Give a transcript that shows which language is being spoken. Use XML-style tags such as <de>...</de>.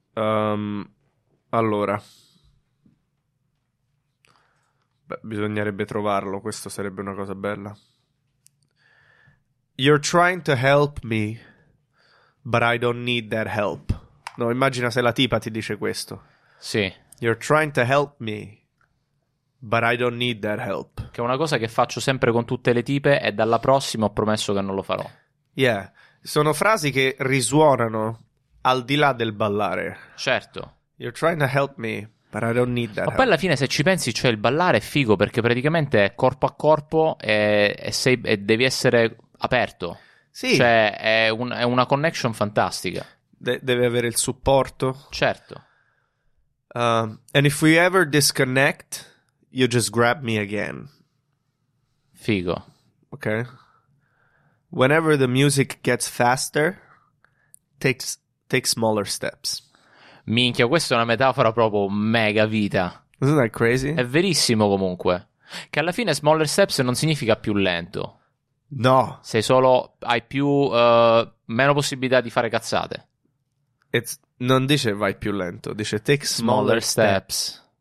<it>Allora. Beh, bisognerebbe trovarlo. Questo sarebbe una cosa bella.</it> <en>You're trying to help me. But I don't need that help.</en> <it>No, immagina se la tipa ti dice questo. Sì.</it> <en>You're trying to help me, but I don't need that help.</en> <it>Che è una cosa che faccio sempre con tutte le tipe e dalla prossima ho promesso che non lo farò.</it> <en>Yeah.</en> <it>Sono frasi che risuonano al di là del ballare. Certo.</it> <en>You're trying to help me, but I don't need that</en> <it>Ma</it> <en>help.</en> <it>Ma poi alla fine se ci pensi, cioè il ballare è figo perché praticamente è corpo a corpo e devi essere aperto. Sì. Cioè, è una connection fantastica. Deve avere il supporto. Certo.</it> <en>And if we ever disconnect, you just grab me again.</en> <it>Figo. Ok.</it> <en>Whenever the music gets faster, take smaller steps.</en> <it>Minchia, questa è una metafora proprio mega vita.</it> <en>Isn't that crazy?</en> <it>È verissimo comunque. Che alla fine</it> <en>smaller steps</en> <it>non significa più lento. No. Sei solo... Hai più... meno possibilità di fare cazzate. Non dice vai più lento. Dice</it> <en>take smaller steps.</en>